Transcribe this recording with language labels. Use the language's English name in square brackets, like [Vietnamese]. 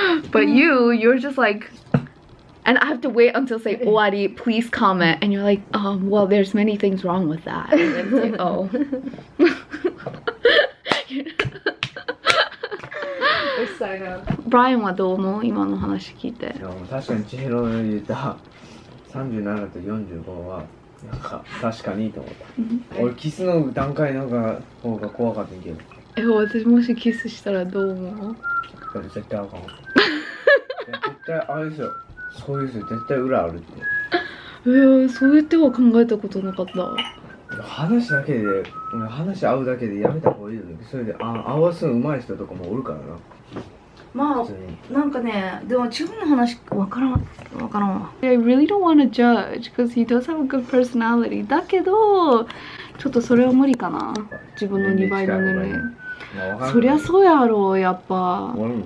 [English] But you're just like. And I have to wait until say, Owari, please comment. And you're like, well, there's many things wrong with that. And it's like, oh. Brian, what do you think about this story? Yeah, I'm talking to Chihiro. 37 to 45. [Japanese] なんか確かにと思った。俺キスの段階の方が怖かったけど。え、私もしキスしたらどう思う？絶対あかん。絶対あれでしょ。そういう人絶対裏あるって。いや、そういう手は考えたことなかった。話だけで、話合うだけでやめた方がいいよね。それで、合わすの上手い人とかもおるからな。 [English] I really don't want to judge because he does have a good personality. [Japanese] だけど ちょっとそれは無理かな 自分の2倍の年齢 そりゃそうやろやっぱ